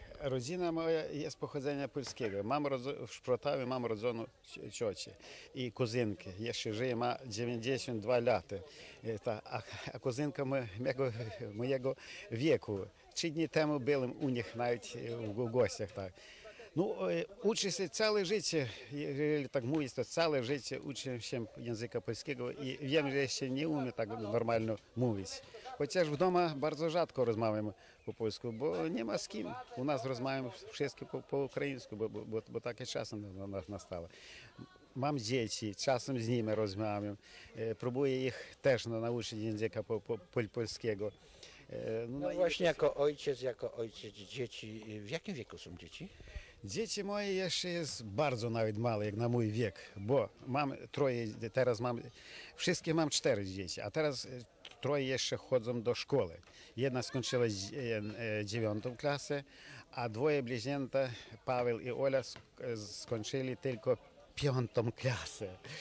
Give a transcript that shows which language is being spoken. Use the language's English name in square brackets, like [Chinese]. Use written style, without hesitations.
[Polish] Rodzina moja jest z pochodzenia polskiego. Mam w Szprotawie mam rodzoną ciocię i kuzynkę. Jeszcze żyje, ma 92 lata. A kuzynka mojego wieku. 3 dni temu byłem u nich nawet w gościach. Tak. [Ukrainian] Ну, учишся ціле життя, так мовити, то ціле життя учимся язика польського і вім, що я ще не вмію так нормально мовити. Хоча ж вдома дуже рідко розмовляємо по-польську, бо нема з ким. У нас розмовляємо все по-українську, бо так і часом настало. Мам діти, часом з ними розмовляємо. Пробую їх теж навчити язика польського. [Polish] No właśnie, jako ojciec dzieci, w jakim wieku są dzieci? Dzieci moje jeszcze jest bardzo nawet małe, jak na mój wiek, bo mam troje, teraz mam, wszystkie mam 4 dzieci, a teraz troje jeszcze chodzą do szkoły. Jedna skończyła 9 klasę, a dwoje bliźnięta, Paweł i Ola, skończyli tylko 5 klasę.